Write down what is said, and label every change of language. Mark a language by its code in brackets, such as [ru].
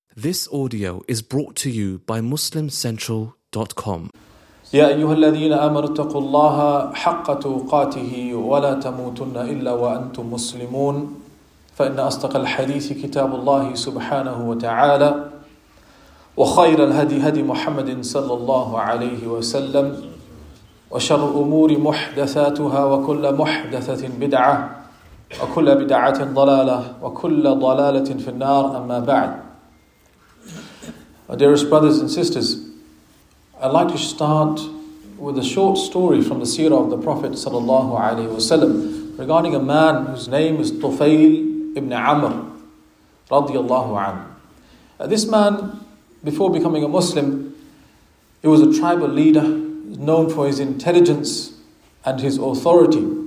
[en] This audio is brought to you by MuslimCentral.com. [ar] يا أيها الذين آمنوا اتقوا الله حق تقاته ولا تموتن إلا وأنتم مسلمون فإن أصدق الحديث كتاب الله سبحانه وتعالى وخير الهدي هدي محمد صلى الله عليه وسلم وشر الأمور محدثاتها وكل محدثة بدعة وكل بدعة ضلالة وكل ضلالة في النار أما بعد. [en] My dearest brothers and sisters, I'd like to start with a short story from the seerah of the Prophet ﷺ regarding a man whose name is Tufail ibn Amr radiyallahu anhu. This man, before becoming a Muslim, he was a tribal leader known for his intelligence and his authority.